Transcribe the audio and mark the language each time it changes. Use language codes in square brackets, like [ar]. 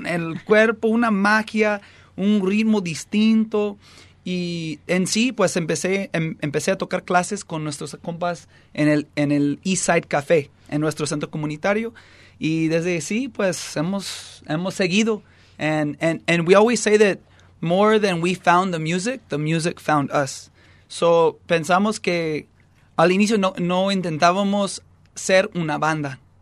[es] El cuerpo, una magia, un ritmo distinto, y en sí, pues empecé a tocar clases con nuestros compas en el Eastside Café, en nuestro centro comunitario, y desde sí, pues hemos seguido. [en] And we always say that more than we found the music found us. [es] So pensamos que al inicio no intentábamos ser una banda.